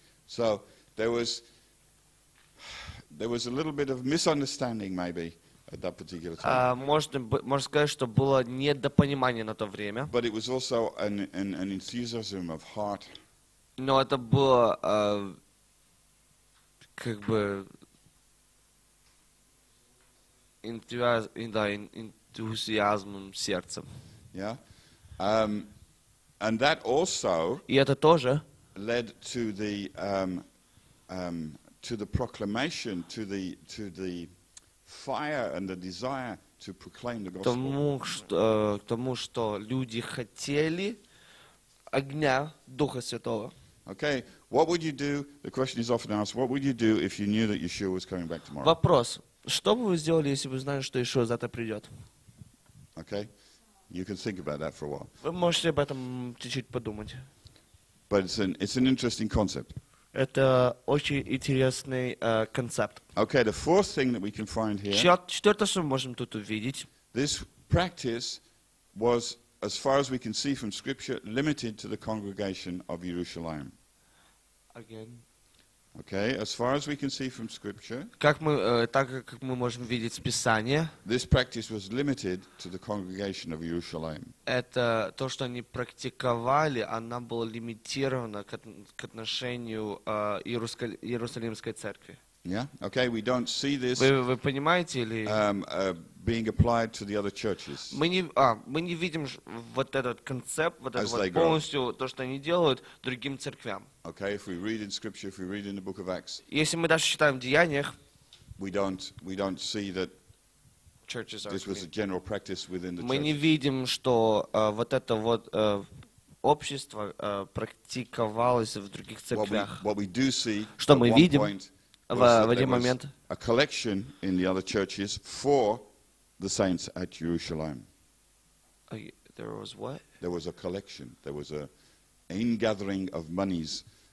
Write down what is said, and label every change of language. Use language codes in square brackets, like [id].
[en] So there was a little bit of misunderstanding maybe. At that particular time. [ru] Можно сказать, что было недопонимание на то время. [en] But it was also an enthusiasm of heart. [ru] Но это было как бы энтузиазмом сердца. [en] Yeah. And that also. [ru] И это тоже. [en] Led to the to the proclamation to the fire and the desire to proclaim the gospel. [ru] Тому, что люди хотели огня Духа Святого. [en] Okay, what would you do? The question is often asked, what would you do if you knew that Yeshua was coming back tomorrow? [ru] Вопрос. Что бы вы сделали, если бы знали, что Иисус завтра придет? [en] Okay. You can think about that for a while. [ru] Вы можете об этом чуть-чуть подумать. [en] But it's an interesting concept. [ru] Это очень интересный концепт. [en] Okay, the fourth thing that we can find here. [ru] Четвертое, что мы можем тут увидеть. [en] This practice was, as far as we can see from Scripture, limited to the congregation of Jerusalem. Again. Okay, as far as we can see from Scripture. [ru] Как мы можем видеть из Писания. [en] This practice was limited to the congregation of Jerusalem. [ru] Это то, что они практиковали, она была лимитирована к отношению Иерусалимской церкви. [en] Yeah. Okay. We don't see this. [ru] Вы понимаете или? [en] Being applied to the other churches. [ru] Мы не видим вот этот концепт, вот это вот полностью то, что они делают другим церквям. [en] Okay. If we read in Scripture, if we read in the Book of Acts. Если мы даже читаем в Деяниях. We don't see that. Churches are. This was a general practice within the. [ru] Мы не видим, что вот это вот. Общество практиковалось в других церквях. [en] What we do see. [ru] Что мы видим? В один момент. [en] A collection in the other churches for the saints at Jerusalem. There was what? There was a collection. There was an gathering of monies.